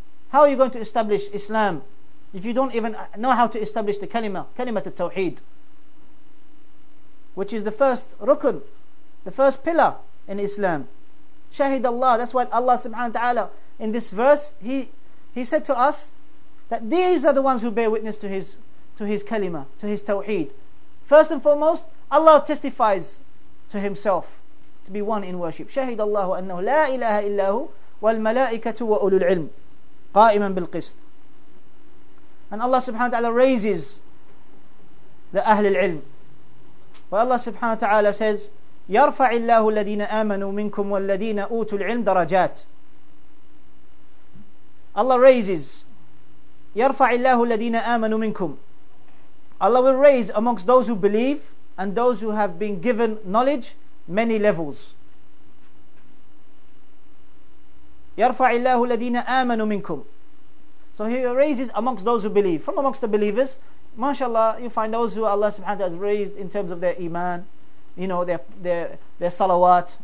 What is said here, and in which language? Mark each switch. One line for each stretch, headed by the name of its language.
English: How are you going to establish Islam if you don't even know how to establish the kalima to tawheed, which is the first rukun, the first pillar in Islam? Shahid Allah, that's why Allah subhanahu wa ta'ala in this verse, he said to us that these are the ones who bear witness to his kalima, to his tawheed. First and foremost, Allah testifies to Himself to be one in worship.
Arabic: شهد الله أنه لا إله إلا هو والملائكة وأولو العلم قائما بالقسط.
English: And Allah subhanahu wa ta'ala raises the أهل العلم. Where Allah subhanahu wa ta'ala says,
Arabic: يرفع الله الذين آمنوا منكم والذين أوتوا العلم درجات.
English: Allah raises,
Arabic: يَرْفَعِ اللَّهُ الَّذِينَ آمَنُوا مِنْكُمْ.
English: Allah will raise amongst those who believe and those who have been given knowledge many levels.
Arabic: يَرْفَعِ اللَّهُ الَّذِينَ آمَنُوا مِنْكُمْ.
English: So He raises amongst those who believe. From amongst the believers, mashallah, you find those who Allah subhanahu wa ta'ala has raised in terms of their iman, you know, their salawat.